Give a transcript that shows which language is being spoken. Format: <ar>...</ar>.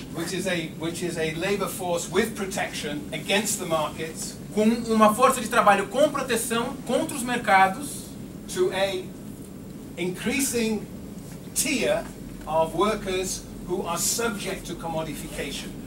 <en>which is a labor force with protection against the markets,</en> <pt>com uma força de trabalho com proteção contra os mercados,</pt> <en>to a increasing tier of workers who are subject to commodification.</en>